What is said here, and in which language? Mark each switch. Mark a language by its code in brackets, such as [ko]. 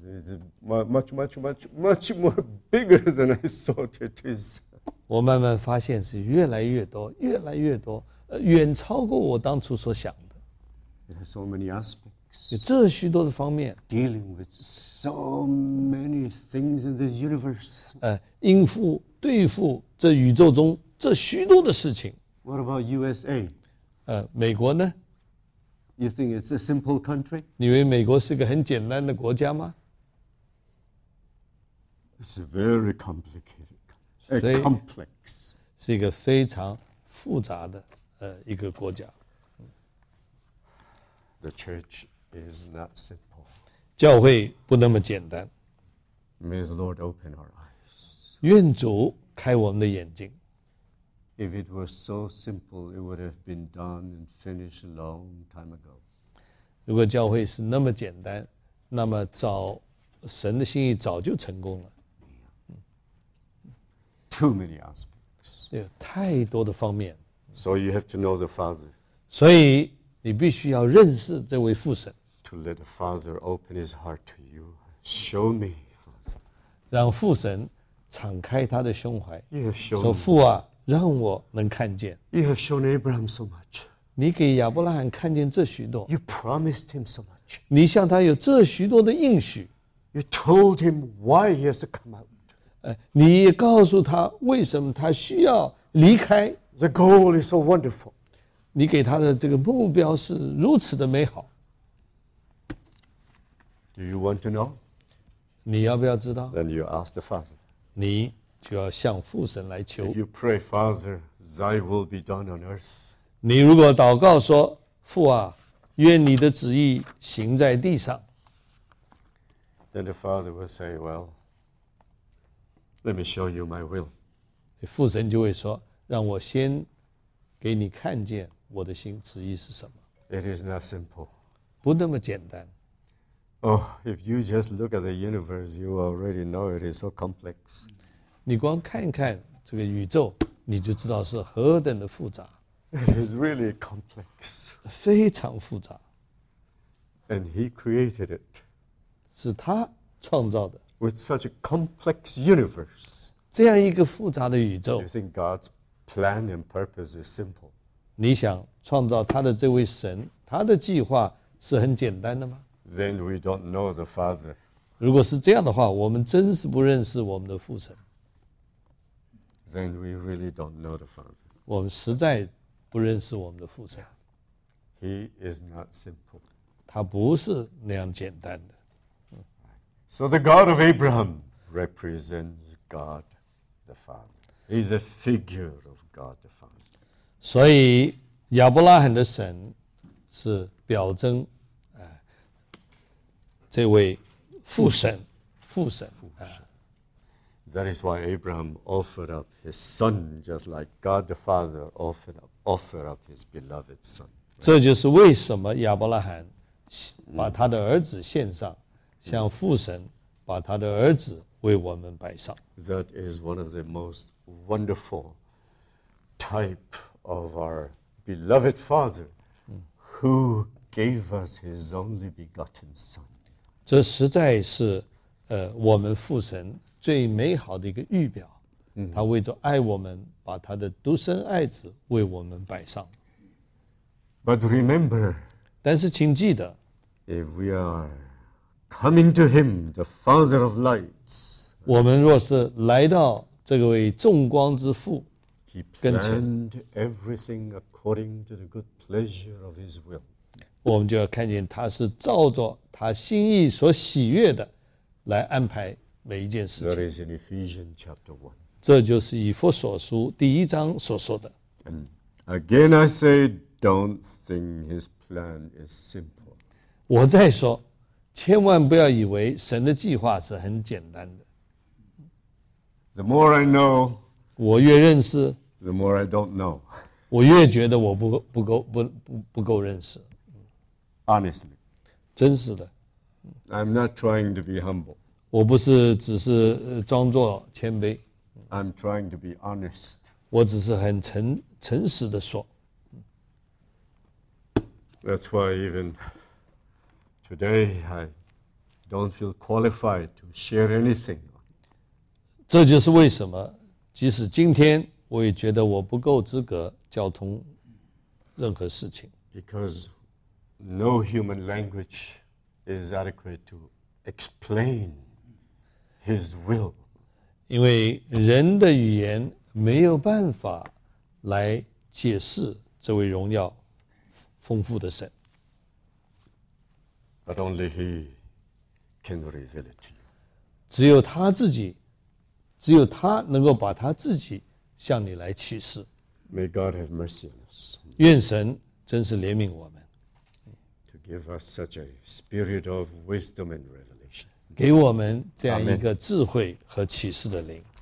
[en] It's much, much, much, much more bigger than I thought it is. [zh] 我慢慢发现是越来越多，越来越多。远超过我当初所想的。 [en] It has so many aspects. [zh] 有这许多的方面。 [en] Dealing with so many things in this universe. [zh] 应付对付这宇宙中这许多的事情。 [en] What about USA? [zh] 美国呢？ [en] You think it's a simple country? [zh] 你以为美国是个很简单的国家吗？ [en] It's a very complicated, a complex. [zh] 是一个非常复杂的。一个国家。 [en] The church is not simple. [zh] 教会不那么简单。 [en] May the Lord open our eyes. [zh] 愿主开我们的眼睛。 [en] If it were so simple, it would have been done and finished a long time ago. [zh] 如果教会是那么简单，那么早神的心意早就成功了。 [en] Too many aspects. [zh] 有太多的方面。 [en] So you have to know the Father. [zh] 所以你必须要认识这位父神。 [en] To let the Father open his heart to you, show me. [zh] 让父神敞开他的胸怀。 [en] You have shown. [zh] 说父啊，让我能看见。 [en] You have shown Abraham so much. [zh] 你给亚伯拉罕看见这许多。 [en] You promised him so much. [zh] 你向他有这许多的应许。 [en] You told him why he has to come out. [zh] 你也告诉他为什么他需要离开。 [en] The goal is so wonderful. [zh] 你给他的这个目标是如此的美好。 [en] Do you want to know? [zh] 你要不要知道？ [en] Then you ask the Father. [zh] 你就要向父神来求。 [en] If you pray, Father, Thy will be done on earth. [zh] 你如果祷告说，父啊，愿你的旨意行在地上。 [en] Then the Father will say, Well, let me show you my will. [zh] 父神就会说。让我先给你看见我的心旨意是什么。 [en] It is not simple. [zh] 不那么简单。 [en] Oh, if you just look at the universe, you already know it is so complex. [zh] 你光看看这个宇宙，你就知道是何等的复杂。 [en] It is really complex. [zh] 非常复杂。 [en] And he created it. [zh] 是他创造的。 [en] With such a complex universe. [zh] 这样一个复杂的宇宙。 [en] You think God's plan and purpose is simple. [zh] 你想创造他的这位神，他的计划是很简单的吗？ [en] Then we don't know the Father. [zh] 如果是这样的话，我们真是不认识我们的父神。 [en] Then we really don't know the Father. [zh] 我们实在不认识我们的父神。 [en] He is not simple. [zh] 他不是那样简单的。 [en] So the God of Abraham represents God the Father. Is a figure of God the Father. [zh] 所以亚伯拉罕的神是表征，这位父神，父神。 [en] That is why Abraham offered up his son, just like God the Father offered up his beloved son. [zh] 这就是为什么亚伯拉罕把他的儿子献上，向父神把他的儿子为我们摆上。 [en] That is one of the most wonderful type of our beloved Father who gave us his only begotten Son. [zh] 这实在是我们父神最美好的一个预表。他为着爱我们把他的独生爱子为我们摆上。 [en] But remember, [zh] 但是请记得 [en] if we are coming to him, the Father of lights. [zh] 我们若是来到这位众光之父 [en] ，He planned everything according to the good pleasure of His will. [zh] 我们就要看见他是照着他心意所喜悦的来安排每一件事情。 [en] That is in Ephesians chapter 1. [zh] 这就是以弗所书第一章所说的。 [en] And again I say, don't think His plan is simple. [zh] 我再说，千万不要以为神的计划是很简单的。 [en] The more I know, [zh] 我越认识 [en] the more I don't know. [zh] 我越觉得我 不够认识。 [en] Honestly. [zh] 真实的。 [en] I'm not trying to be humble. [zh] 我不是只是装作谦卑。 [en] I'm trying to be honest. [zh] 我只是很诚实的说。 [en] That's why even today I don't feel qualified to share anything. [zh] 这就是为什么即使今天我也觉得我不够资格交通任何事情。 [en] Because no human language is adequate to explain his will. [zh] 因为人的语言没有办法来解释这位荣耀丰富的神。 [en] But only he can reveal it to you. [zh] 只有他自己只有他能够把他自己向你来启示。 [en] May God have mercy on us. [zh] 愿神真是怜悯我们。 [en] To give us such a spirit of wisdom and revelation. [zh] 给我们这样一个智慧和启示的灵。